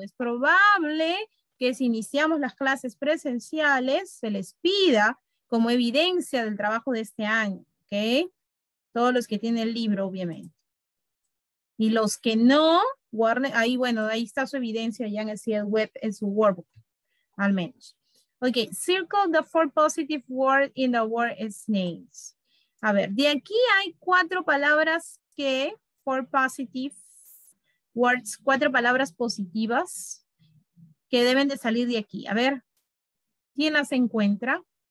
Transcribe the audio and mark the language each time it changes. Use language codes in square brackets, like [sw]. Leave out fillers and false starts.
[es] Es probable que si iniciamos las clases presenciales, se les pida como evidencia del trabajo de este año. ¿Ok? Todos los que tienen el libro, obviamente. Y los que no, guarden, ahí bueno, ahí está su evidencia ya en el CIE web, en su workbook, al menos. [en] Ok, circle the four positive words in the word snakes. [es] A ver, de aquí hay cuatro palabras que, [en] four positive words, [es] cuatro palabras positivas que deben de salir de aquí. A ver, ¿quién las encuentra?